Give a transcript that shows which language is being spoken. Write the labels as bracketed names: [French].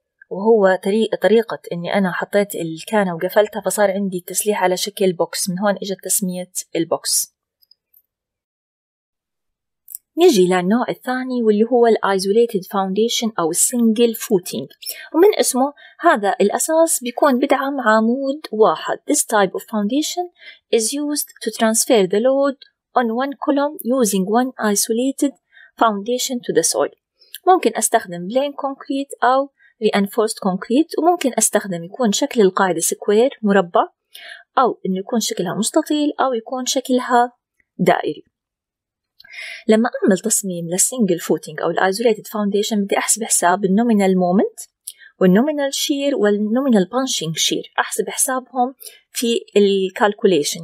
[Arabic] وهو طريقة إني أنا حطيت الكانة وقفلتها فصار عندي التسليح على شكل بوكس, من هون إجت تسمية البوكس. نجي للنوع الثاني واللي هو الـ isolated foundation أو single footing, ومن اسمه هذا الأساس بيكون بدعم عمود واحد. [English] This type of foundation is used to transfer the load on one column using one isolated foundation to the soil. [Arabic] ممكن أستخدم plain concrete أو reinforced concrete, وممكن أستخدم يكون شكل القاعدة square مربع أو إنه يكون شكلها مستطيل أو يكون شكلها دائري. لما أعمل تصميم للسنجل فوتينج أو الايزوليتد فاونديشن بدي أحسب حساب النومينال مومنت والنومينال شير والنومينال بانشينج شير, أحسب حسابهم في الكالكوليشن.